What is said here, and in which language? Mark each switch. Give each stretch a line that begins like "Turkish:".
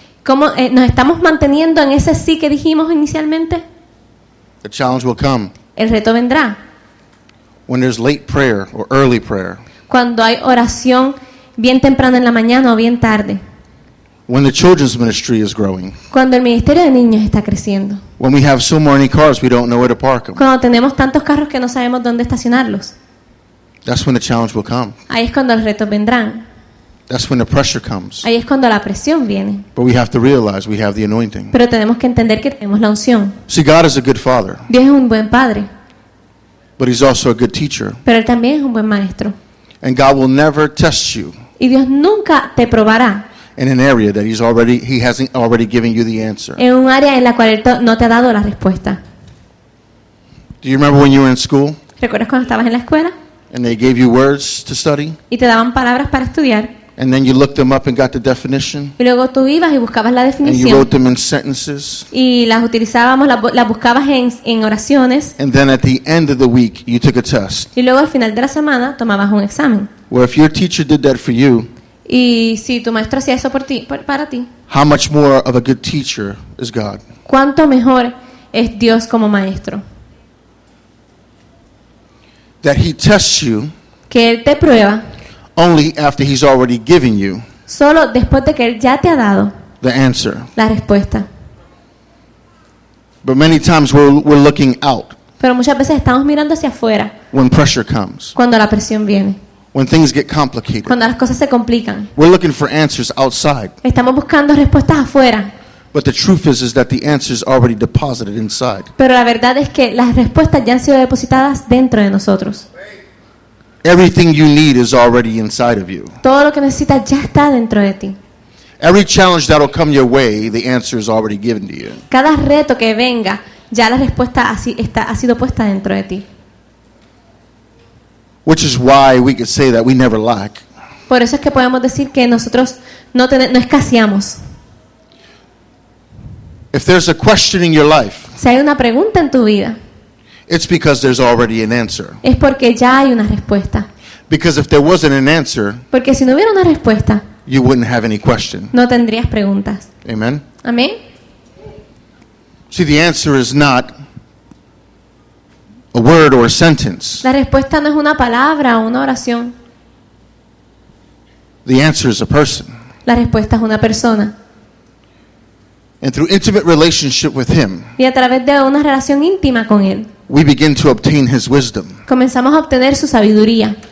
Spanish: ¿Cómo nos estamos manteniendo en ese sí que dijimos inicialmente?
English: The challenge will come.
Spanish: El reto vendrá.
English: When there's late prayer or early prayer.
Spanish: Cuando hay oración bien temprano en la mañana o bien tarde.
English: When the children's ministry is growing.
Spanish: Cuando el ministerio de niños está creciendo.
English: When we have so many cars we don't know where to park them.
Spanish: Cuando tenemos tantos carros que no sabemos dónde estacionarlos.
English: That's when the challenge will come.
Spanish: Ahí es cuando los retos vendrán.
English: That's when the pressure comes.
Spanish: Ahí es cuando la presión viene.
English: But we have to realize we have the anointing.
Spanish: Pero tenemos que entender que tenemos la unción.
English: See, God is a good father.
Spanish: Dios es un buen padre.
English: But he's also a good teacher.
Spanish: Pero él también es un buen maestro.
English: And God will never test you.
Spanish: Y Dios nunca te probará.
English: In an area that he hasn't already given you the answer.
Spanish: En un área en la cual él no te ha dado la respuesta.
English: Do you remember when you were in school?
Spanish: ¿Recuerdas cuando estabas en la escuela?
English: And they gave you words to study?
Spanish: Y te daban palabras para estudiar.
English: And then you looked them up and got the definition.
Spanish: Y luego tú ibas y buscabas la definición.
English: And you wrote them in sentences.
Spanish: Y las utilizábamos, las buscabas en oraciones.
English: And then at the end of the week, you took a test.
Spanish: Y luego al final de la semana tomabas un examen.
English: Well, if your teacher did that for you.
Spanish: Y si tu maestro hacía eso para ti.
English: How much more of a good teacher is God?
Spanish: ¿Cuánto mejor es Dios como maestro?
English: That he tests you.
Spanish: Que él te prueba.
English: Only after he's already given you.
Spanish: Solo después de que él ya te ha dado.
English: The answer.
Spanish: La respuesta.
English: But many times we're looking out.
Spanish: Pero muchas veces estamos mirando hacia afuera.
English: When pressure comes.
Spanish: Cuando la presión viene.
English: When things get complicated.
Spanish: Cuando las cosas se complican.
English: We're looking for answers outside.
Spanish: Estamos buscando respuestas afuera.
English: But the truth is that the answer is already deposited inside.
Spanish: Pero la verdad es que las respuestas ya han sido depositadas dentro de nosotros.
English: Everything you need is already inside of you.
Spanish: Todo lo que necesitas ya está dentro de ti.
English: Every challenge that'll come your way, the answer is already given to you.
Spanish: Cada reto que venga, ya la respuesta ha sido puesta dentro de ti.
English: Which is why we could say that we never lack.
Spanish: Por eso es que podemos decir que nosotros no escaseamos.
English: If there's a question in your life,
Spanish: si hay una pregunta en tu vida,
English: it's because there's already an answer.
Spanish: Es porque ya hay una respuesta.
English: Because if there wasn't an answer,
Spanish: porque si no hubiera una respuesta,
English: you wouldn't have any question.
Spanish: No tendrías preguntas.
English: Amen.
Spanish: Amén.
English: See, the answer is not a word or a sentence.
Spanish: La respuesta no es una palabra o una oración.
English: The answer is a person.
Spanish: La respuesta es una persona.
English: And through intimate relationship with him,
Spanish: y a través de una relación íntima con él,
English: we begin to obtain his wisdom.
Spanish: Comenzamos a obtener su sabiduría.